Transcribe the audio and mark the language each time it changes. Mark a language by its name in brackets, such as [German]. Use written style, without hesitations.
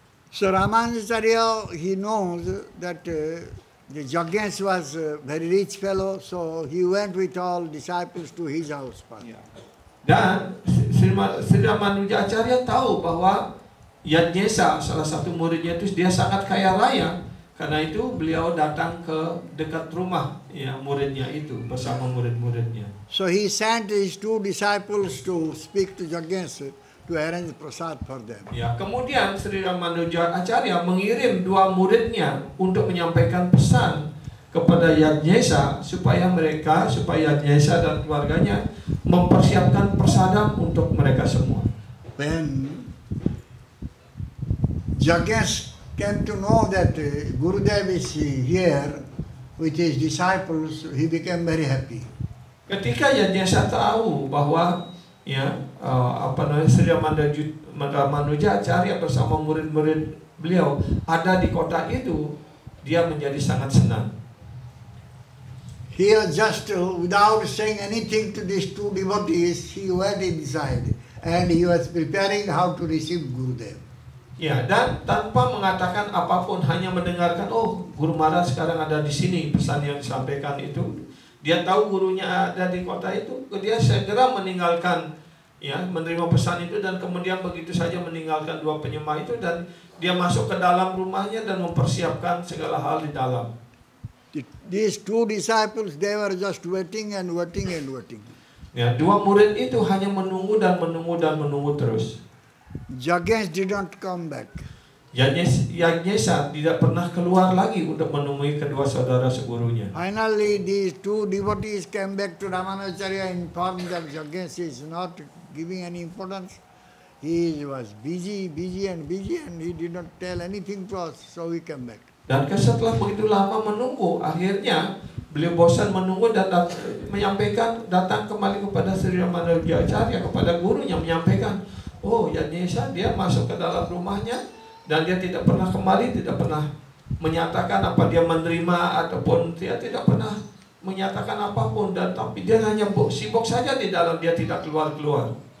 [English] So Ramanuja Acharya, he knows that the Jagnesa was a very rich fellow, so he went with all disciples to his house. [Indonesian] Dan Sri Ramanuja Acharya tahu bahwa Yadnyesa, salah satu muridnya itu, dia sangat kaya raya. Karena itu beliau datang ke dekat rumah ya muridnya itu bersama murid-muridnya. [English] So he sent his two disciples to speak to Yadnyesa to arrange prasad for them. [Indonesian] Ya, kemudian Sri Ramanuja Acharya mengirim dua muridnya untuk menyampaikan pesan kepada Yadnyesa supaya mereka, supaya Yadnyesa dan keluarganya mempersiapkan prasadam untuk mereka semua. [English] Then Yadnyesa came to know that Gurudev is here with his disciples, he became very happy. [Indonesian] Ketika Yadnyesa tahu bahwa ya apa namanya Sri Ramanuja Acharya bersama murid-murid beliau ada di kota itu, dia menjadi sangat senang. [English] He just without saying anything to these two devotees, he went inside and he was preparing how to receive Gurudev. [Indonesian] Ya, dan tanpa mengatakan apapun, hanya mendengarkan, oh Guru Maharaj sekarang ada di sini, pesan yang disampaikan itu. Dia tahu gurunya ada di kota itu, dia segera meninggalkan, ya, menerima pesan itu dan kemudian begitu saja meninggalkan dua penyembah itu dan dia masuk ke dalam rumahnya dan mempersiapkan segala hal di dalam. [English] These two disciples, they were just waiting and waiting and waiting. [Indonesian] Ya, dua murid itu hanya menunggu dan menunggu dan menunggu terus. [English] Yadnyesa didn't come back. [Indonesian] Yadnyesa tidak pernah keluar lagi untuk menemui kedua saudara segurunya. [English] Finally, these two devotees came back to Ramanacharya and informed that Yadnyesa is not giving any importance. He was busy, and he did not tell anything to us, so we came back. [Indonesian] Dan setelah begitu lama menunggu, akhirnya beliau bosan menunggu dan datang kembali kepada Sri Ramanuja Acharya, kepada gurunya, menyampaikan, oh Yadnyesa dia masuk ke dalam rumahnya dan dia tidak pernah kembali, tidak pernah menyatakan apa dia menerima ataupun dia tidak pernah menyatakan apapun, dan tapi dia hanya sibuk saja di dalam, dia tidak keluar.